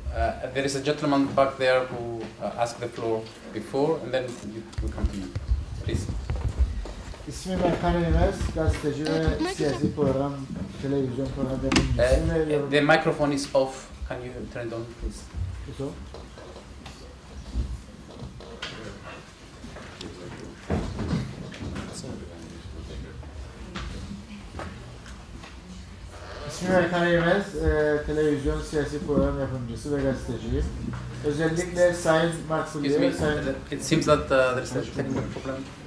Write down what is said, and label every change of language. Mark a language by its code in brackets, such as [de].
[en] There is a gentleman back there who asked the floor before, and then you will come to me. Please. [tr] İsmim Erkan Enes, gazeteci ve siyasi program, televizyon programı yapımcısı. [en] The microphone is off. Can you turn it on, please? It's off. Okay. [tr] İsmim Erkan Eymez, televizyon siyasi program yapımcısı ve gazeteciyim. Özellikle Sayın Marks'ın diye... [en] It seems that there is a technical problem.